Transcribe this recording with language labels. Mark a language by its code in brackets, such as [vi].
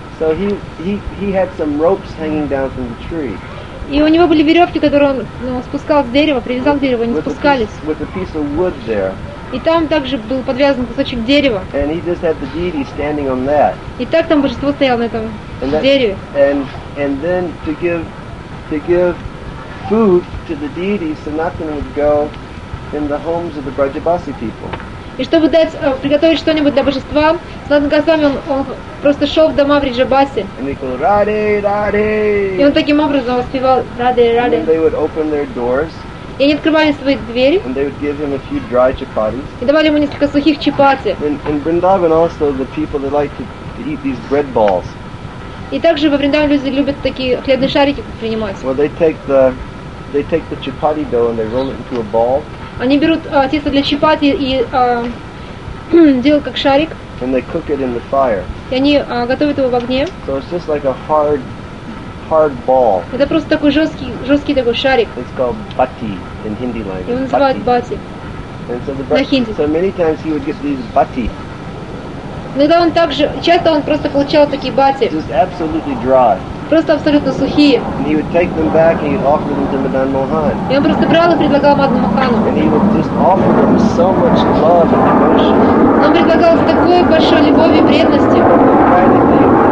[en] So he had some ropes hanging down from the tree. [ru] И у него были веревки, которые он спускал с дерева, привязал к дереву, они спускались. [en] With a piece of wood there. [ru] И там также был подвязан кусочек дерева. [en] And he just had the deity standing on that. [ru] И так там божество стояло на этом дереве. [en] And then to give food to the deity, Sanatana would go in the homes of the Brajabasi people. [ru] И чтобы дать, приготовить что-нибудь для божества, Санатана Госвами он просто шел в дома в Риджабасе. [en] And he called, "Раде, раде!" [ru] И он таким образом воспевал «Раде, раде!» [en] And they would open their doors, [ru] и они открывали свои двери. [en] And they would give him a few dry chapatis. [ru] И давали ему несколько сухих чапати. [en] In Vrindavan also, the people, they like to eat these bread balls. [ru] И также во Вриндаване люди любят такие хлебные шарики принимать. [en] Well, they take the chapati dough and they roll it into a ball. [ru] Они берут тесто для чапати и делают как шарик. [en] And they cook it in the fire. [ru] И они готовят его в огне. [en] So it's just like a hard ball. [ru] Это просто такой жесткий такой шарик. [en] It's called bati in Hindi language. [ru] И его называют bati. [en] And so [ru] на хинди. [en] So many times he would get these bati. [ru] Иногда он также, часто он просто получал такие bati. [en] Just absolutely dry. [ru] Просто абсолютно сухие. [en] And he would take them back and he'd offer them to Madan Mohan. [ru] И он просто брал и предлагал Мадан Мохану. [en] And he would just offer them so much love and devotion. [ru] Он предлагал с такой большой любовью и преданностью.